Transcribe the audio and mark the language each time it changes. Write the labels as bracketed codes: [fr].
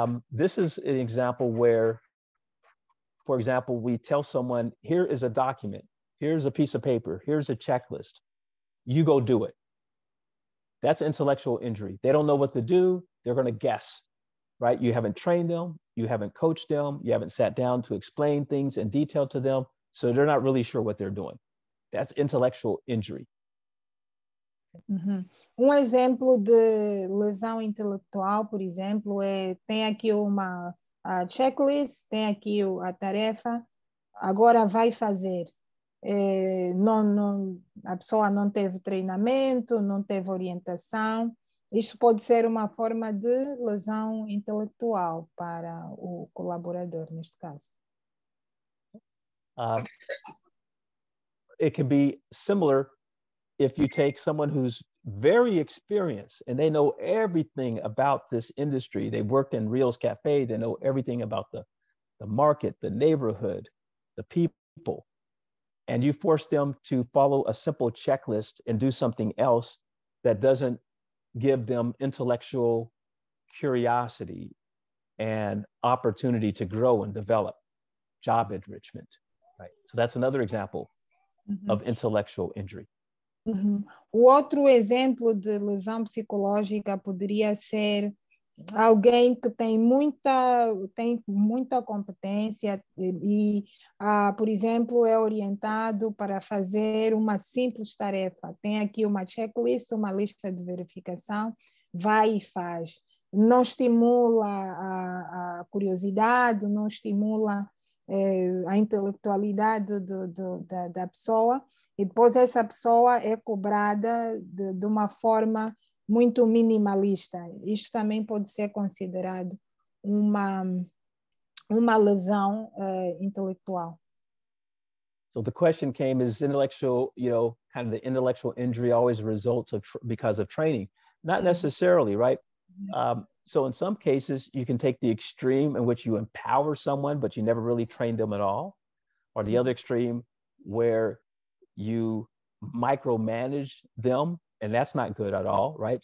[en] This is an example where, for example, we tell someone, here is a document, here's a piece of paper, here's a checklist, you go do it. That's intellectual injury. They don't know what to do, they're gonna guess, right? You haven't trained them, you haven't coached them, you haven't sat down to explain things in detail to them, so they're not really sure what they're doing. That's intellectual injury. Uhum. [pt] Exemplo de lesão intelectual, por exemplo, tem aqui uma checklist, tem aqui a tarefa, agora vai fazer. Não, a pessoa não teve treinamento, não teve orientação. Isso pode ser uma forma de lesão intelectual para o colaborador, neste caso. [en] It can be similar if you take someone who's very experienced and they know everything about this industry. They worked in Rio's Cafe, they know everything about the market, the neighborhood, the people, and you force them to follow a simple checklist and do something else that doesn't give them intellectual curiosity and opportunity to grow and develop, job enrichment, right? So that's another example mm-hmm. of intellectual injury. [pt] Uhum. O outro exemplo de lesão psicológica poderia ser alguém que tem muita competência e por exemplo, é orientado para fazer uma simples tarefa. Tem aqui uma checklist, uma lista de verificação, vai e faz. Não estimula a curiosidade, não estimula a intelectualidade da pessoa, e depois essa pessoa é cobrada de uma forma muito minimalista. Isto também pode ser considerado uma lesão intelectual. [en] So the question came, is intellectual, you know, kind of the intellectual injury always results of because of training? Not necessarily, right? So in some cases, you can take the extreme in which you empower someone, but you never really train them at all. Or the other extreme where you micromanage them, and that's not good at all, right?